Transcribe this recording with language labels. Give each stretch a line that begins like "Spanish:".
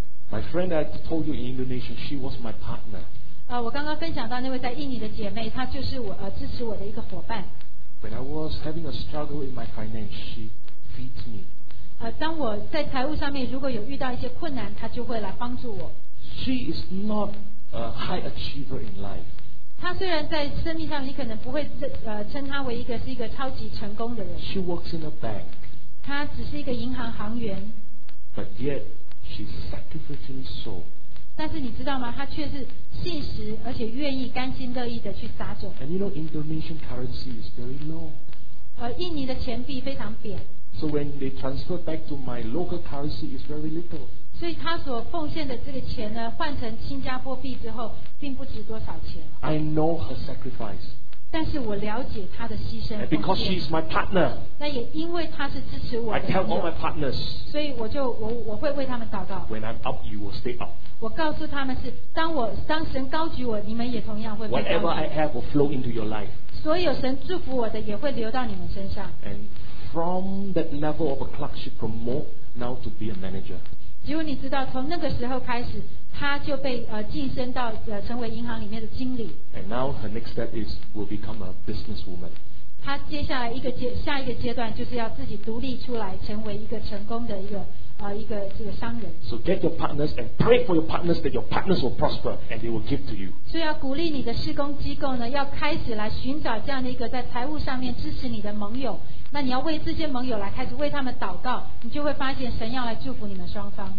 English: My friend I told you in Indonesia, she was my partner.
Chinese: 我刚刚分享到那位在印尼的姐妹，她就是我支持我的一个伙伴。
English: When I was having a struggle in my finance, she feeds me.
Chinese: 当我在财务上面如果有遇到一些困难，她就会来帮助我。
English: She is not a high achiever in life.
Chinese: 她虽然在生命上，你可能不会称她为一个超级成功的人。
English: She works in a bank.
Chinese: 她只是一个银行行员。
English: But yet she sacrificially sows.
Chinese: 但是你知道吗？她却是信实而且愿意甘心乐意的去撒种。
English: And you know, Indonesian currency is very low.
Chinese: 印尼的钱币非常扁。
English: So when they transfer back to my local currency, it's very little.
Chinese: 所以他所奉献的这个钱呢，换成新加坡币之后，并不值多少钱。
English: I know her sacrifice.
Chinese: 但是我了解她的牺牲。
English: And because she is my partner.
Chinese: 那也因为她是支持我的。
English: I tell all my partners.
Chinese: 所以我会为他们祷告。
English: When I'm up, you will stay up.
Chinese: 我告诉他们是，当神高举我，你们也同样会被高举。
English: Whatever I have will flow into your life.
Chinese: 所有神祝福我的，也会流到你们身上。
English: And from that level of a clerk, she promote now to be a manager.
Chinese: 结果你知道，从那个时候开始，他就被晋升到成为银行里面的经理。
English: And now her next step is will become a businesswoman.
Chinese: 他接下来下一个阶段就是要自己独立出来，成为一个成功的一个商人。
English: So get your partners and pray for your partners that your partners will prosper and they will give to you.
Chinese: 所以要鼓励你的事工机构呢，要开始来寻找这样的一个在财务上面支持你的盟友。那你要为这些盟友来开始为他们祷告，你就会发现神要来祝福你们双方。